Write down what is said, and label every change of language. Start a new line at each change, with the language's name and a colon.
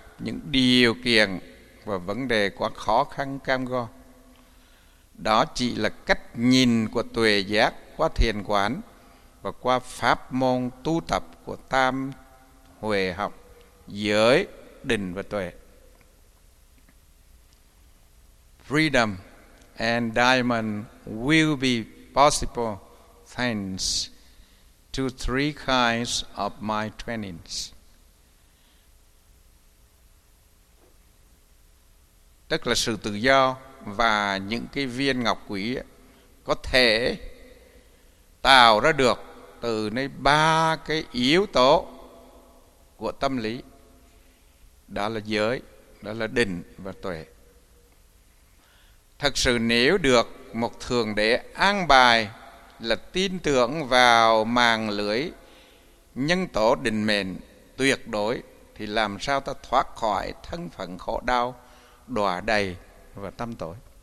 Vietnamese: những điều kiện và vấn đề quá khó khăn cam go. Đó chỉ là cách nhìn của tuệ giác qua thiền quán và qua pháp môn tu tập của tam huệ học, giới, định và tuệ.
English: Freedom and diamond will be possible thanks to three kinds of my trainings.
Vietnamese: Tức là sự tự do và những cái viên ngọc quý có thể tạo ra được từ nơi ba cái yếu tố của tâm lý. Đó là giới, đó là định và tuệ. Thật sự nếu được một thượng đế an bài là tin tưởng vào màng lưới nhân tố định mệnh tuyệt đối, thì làm sao ta thoát khỏi thân phận khổ đau, đọa đày và tâm tối.